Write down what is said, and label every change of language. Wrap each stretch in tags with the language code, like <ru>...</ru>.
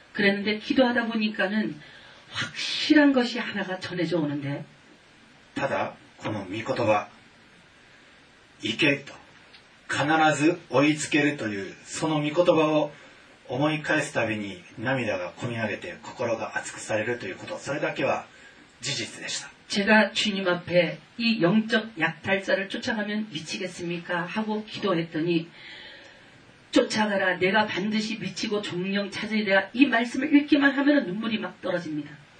<ko>그랬는데 기도하다 보니까는 확실한 것이 하나가 전해져 오는데</ko> <ja>ただこの御言葉、行けと。必ず追いつけるというその御言葉を思い返すたびに涙が込み上げて心が熱くされるということ、それだけは事実でした。</ja> <ko>제가 주님 앞에 이 영적 약탈자를 쫓아가면 미치겠습니까? 하고 기도했더니 쫓아가라 내가 반드시 미치고 종령 찾으리라 이 말씀을 읽기만 하면 눈물이 막 떨어집니다.</ko>